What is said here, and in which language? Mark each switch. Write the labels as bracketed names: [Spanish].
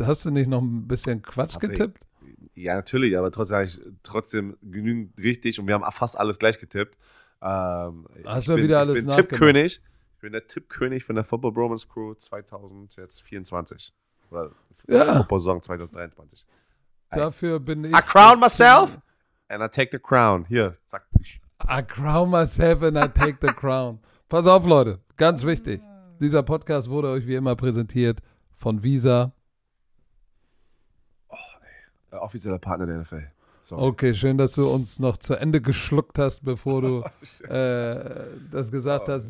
[German] Hast du nicht noch ein bisschen Quatsch getippt? Ja, natürlich, aber trotzdem genügend richtig und wir haben fast alles gleich getippt. Ich bin Tippkönig. Ich bin der Tippkönig von der Football Bromance Crew 2024. Football Saison 2023. Dafür bin ich. [English] I crown myself and I take the crown. [German] Hier, zack. [English] I crown myself and I take the crown. [German] Pass auf, Leute, ganz wichtig. Dieser Podcast wurde euch wie immer präsentiert von Visa. Offizieller Partner der NFL. Sorry. Okay, schön, dass du uns noch zu Ende geschluckt hast, bevor du das gesagt hast.